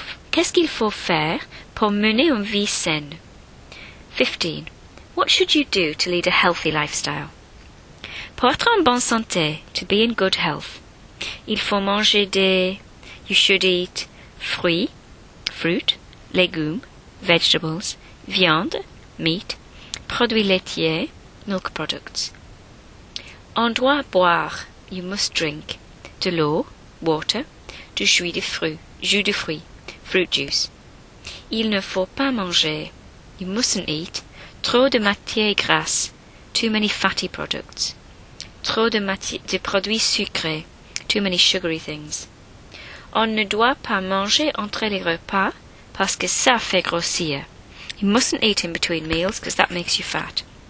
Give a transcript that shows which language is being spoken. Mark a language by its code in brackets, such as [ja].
[fr] Qu'est-ce qu'il faut faire pour mener une vie saine? 15. [en] What should you do to lead a healthy lifestyle? [fr] Pour être en bonne santé, [en] to be in good health, [fr] il faut manger des... [en] You should eat fruits, fruit, légumes, vegetables, viande, meat, [fr] produits laitiers, [en] milk products. [fr] On doit boire, [en] you must drink, [fr] de l'eau, water, du jus de fruits, [en] fruit juice. [fr] Il ne faut pas manger, [en] you mustn't eat, [fr] trop de matières grasses, [en] too many fatty products, [fr] trop de produits sucrés, [en] too many sugary things. [fr] On ne doit pas manger entre les repas parce que ça fait grossir. [en] You mustn't eat in between meals because that makes you fat.